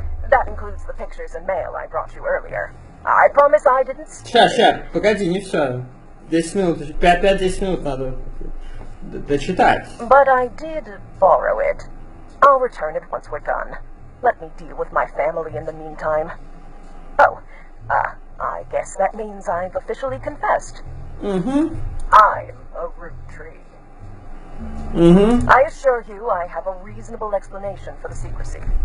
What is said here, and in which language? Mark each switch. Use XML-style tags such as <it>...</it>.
<en>That includes the pictures and mail I brought you earlier. I promise I didn't...</en> <ru>Ща, погоди, не все. 10 минут, 5-10 минут надо дочитать.</ru> <en>But I did borrow it. I'll return it once we're done. Let me deal with my family in the meantime. Oh, I guess that means I've officially confessed. I'm a root tree. I assure you I have a reasonable explanation for the secrecy.</en>